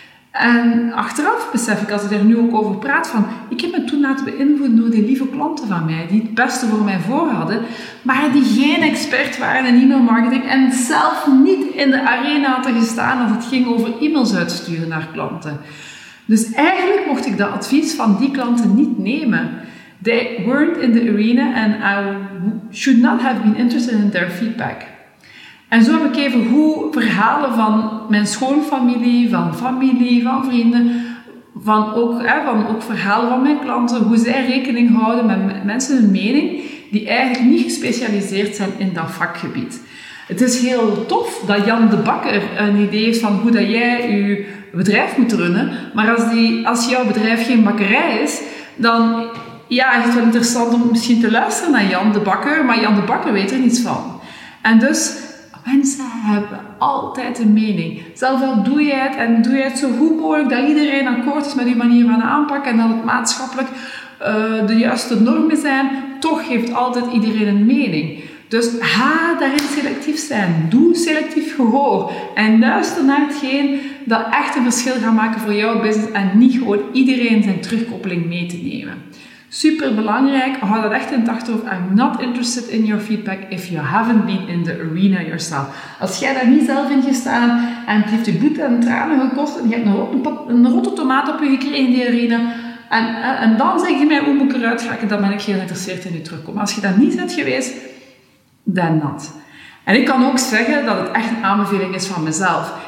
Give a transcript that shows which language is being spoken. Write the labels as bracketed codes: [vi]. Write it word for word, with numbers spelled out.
[nl] En achteraf besef ik, als ik er nu ook over praat, van ik heb me toen laten beïnvloeden door die lieve klanten van mij, die het beste voor mij voor hadden, maar die geen expert waren in e-mailmarketing en zelf niet in de arena hadden gestaan als het ging over e-mails uitsturen naar klanten. Dus eigenlijk mocht ik dat advies van die klanten niet nemen. [en] They weren't in the arena and I should not have been interested in their feedback. [nl] En zo heb ik even hoe verhalen van mijn schoonfamilie, van familie, van vrienden, van ook, hè, van ook verhalen van mijn klanten, hoe zij rekening houden met mensen hun mening, die eigenlijk niet gespecialiseerd zijn in dat vakgebied. Het is heel tof dat Jan de Bakker een idee heeft van hoe dat jij je bedrijf moet runnen, maar als, die, als jouw bedrijf geen bakkerij is, dan ja, is het wel interessant om misschien te luisteren naar Jan de Bakker, maar Jan de Bakker weet er niets van. En dus mensen hebben altijd een mening. Zelfs al doe je het en doe je het zo goed mogelijk dat iedereen akkoord is met die manier van aanpakken en dat het maatschappelijk uh, de juiste normen zijn, toch heeft altijd iedereen een mening. Dus ga daarin selectief zijn. Doe selectief gehoor. En luister naar hetgeen dat echt een verschil gaat maken voor jouw business en niet gewoon iedereen zijn terugkoppeling mee te nemen. Super belangrijk, hou dat echt in het achterhoofd. [en] I'm not interested in your feedback if you haven't been in the arena yourself. [nl] Als jij daar niet zelf in gestaan en het heeft je bloed en tranen gekost en je hebt een rotte, een rotte tomaat op je gekregen in die arena en, en dan zeg je mij hoe moet ik eruit raken, dan ben ik heel geïnteresseerd in je terugkomen. Maar als je daar niet bent geweest, dan not. En ik kan ook zeggen dat het echt een aanbeveling is van mezelf.